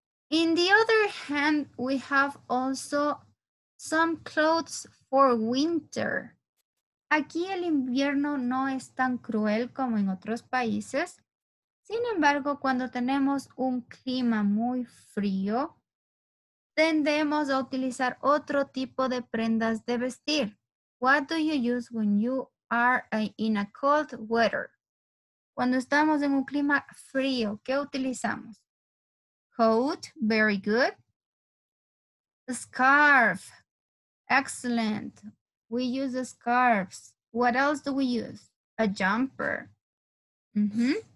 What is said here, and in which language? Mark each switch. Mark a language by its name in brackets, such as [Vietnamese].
[English] In the other hand, we have also some clothes for winter. [Spanish] Aquí el invierno no es tan cruel como en otros países. Sin embargo, cuando tenemos un clima muy frío, tendemos a utilizar otro tipo de prendas de vestir. [English] What do you use when you are in a cold weather? [Spanish] Cuando estamos en un clima frío, ¿qué utilizamos? [English] Coat, very good. Scarf, excellent. We use the scarves. What else do we use? A jumper. Mm-hmm.